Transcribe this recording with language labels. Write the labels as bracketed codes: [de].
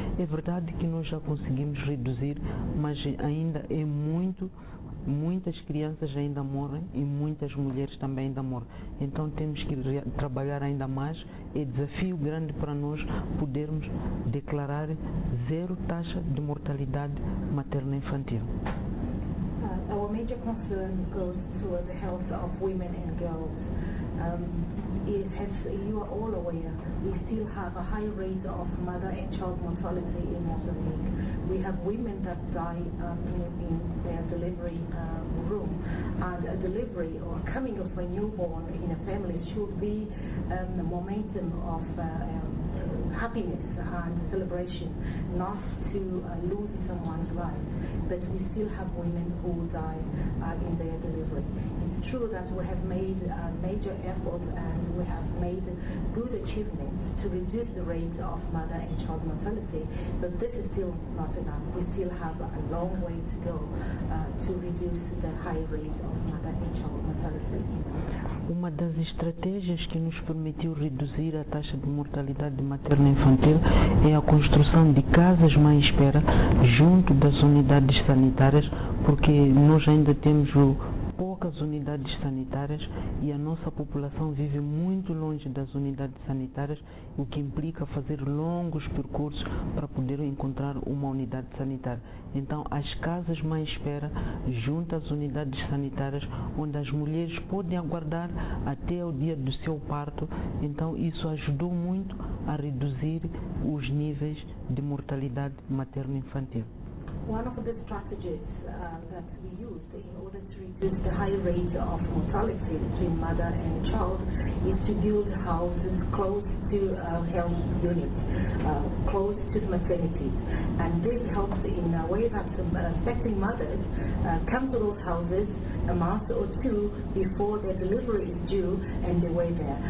[pt] É verdade que nós já conseguimos reduzir, mas ainda é muito. Muitas crianças ainda morrem e muitas mulheres também ainda morrem. Então temos que trabalhar ainda mais. É desafio grande para nós podermos declarar zero taxa de mortalidade materno-infantil. [en] Our major concern goes to the health of women and girls. As you are all aware, we still have a high rate of mother and child mortality in Mozambique. We have women that die in their delivery room. And a delivery or coming of a newborn in a family should be the momentum of happiness and celebration, not to lose someone's life. But we still have women who die in their delivery. It's true that we have made major efforts and we have made good achievements to reduce the rate of mother and child mortality, but this is still not enough. We still have a long way to go to reduce the high rate of mother and child mortality. [pt] Uma das estratégias que nos permitiu reduzir a taxa de mortalidade materno-infantil é a construção de casas mãe-espera junto das unidades sanitárias, porque nós ainda temos poucas unidades sanitárias e a nossa população vive muito longe das unidades sanitárias, o que implica fazer longos percursos para poder encontrar uma unidade sanitária. Então, as casas mãe-espera junto às unidades sanitárias, onde as mulheres podem aguardar até o dia do seu parto, então isso ajudou muito a reduzir os níveis de mortalidade materno-infantil. [en] One of the strategies that we used in order to reduce the high rate of mortality between mother and child is to build houses close to health units, close to the maternities. And this helps in a way that expecting mothers come to those houses a month or two before their delivery is due and they wait there.